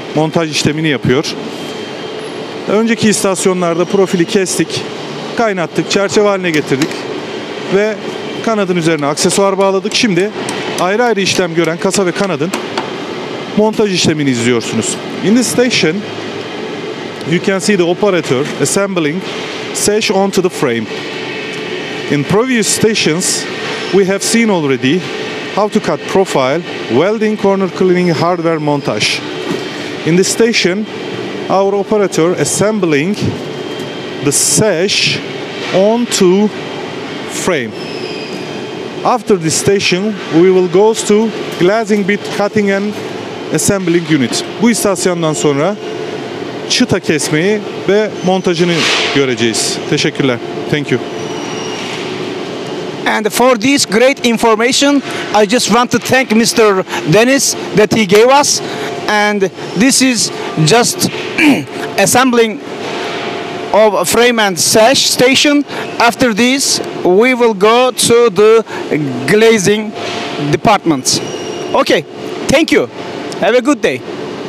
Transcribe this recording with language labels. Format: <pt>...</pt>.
<tr>Montaj işlemini yapıyor. Önceki istasyonlarda profili kestik, kaynattık, çerçeve haline getirdik ve kanadın üzerine aksesuar bağladık. Şimdi ayrı ayrı işlem gören kasa ve kanadın montaj işlemini izliyorsunuz.</tr> <en>In this station, you can see the operator assembling sash onto the frame. In previous stations, we have seen already how to cut profile, welding, corner cleaning, hardware montage. In this station, our operator assembling the sash onto frame. After this station, we will go to glazing bit cutting and assembling unit.</en> <tr>Bu istasyondan sonra çıta kesmeyi ve montajını göreceğiz. Teşekkürler.</tr> <en>Thank you. And for this great information, I just want to thank Mr. Deniz that he gave us. And this is just assembling of frame and sash station. After this, we will go to the glazing department. Okay, thank you. Have a good day.</en>